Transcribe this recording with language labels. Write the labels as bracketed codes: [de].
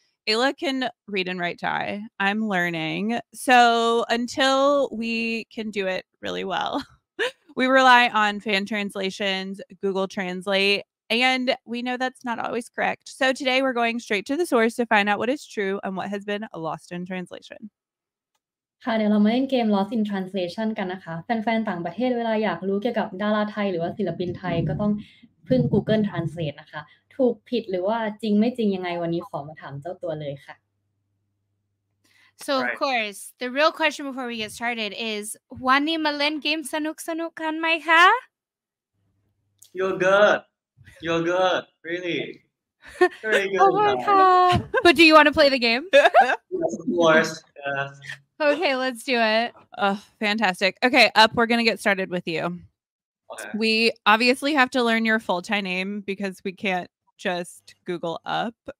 [en] Ayla can read and write Thai. I'm learning. So until we can do it really well, we rely on fan translations, Google Translate, and we know that's not always correct. So today we're going straight to the source to find out what is true and what has been lost in translation. [th] ค่ะเดี๋ยวเรามาเล่นเกม Lost in Translation กันนะคะแฟนๆต่างประเทศเวลาอยากรู้เกี่ยวกับดาราไทยหรือว่าศิลปินไทยก็ต้องพึ่ง Google Translate นะคะถูกผิดหรือว่าจริงไม่จริงยังไงวันนี้ขอมาถามเจ้าตัวเลยค่ะ [en] So of course the real question before we get started is [th] วันนี้มาเล่นเกมสนุกสนุกกันไหมคะ [en] You're good really very good Oh my god But do you want to play the game Yes, of course yes. Okay let's do it Oh fantastic Okay up we're gonna get started with you Okay. We obviously have to learn your full Thai name because we can't just Google up.